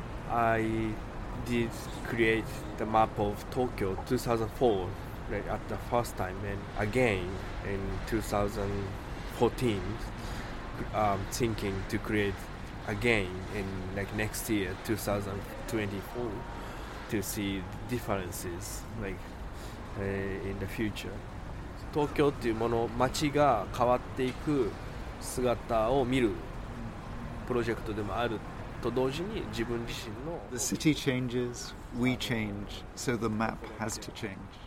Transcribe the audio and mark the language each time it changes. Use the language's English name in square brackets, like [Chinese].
[English] I did create the map of Tokyo 2004, right, at the first time, and again in 2014. Thinking to create again in like next year 2024 to see the differences like in the future. [Japanese] Tokyo っていうもの、街が変わっていく姿を見るプロジェクトでもあると同時に自分自身の [English] The city changes, we change, so the map has to change.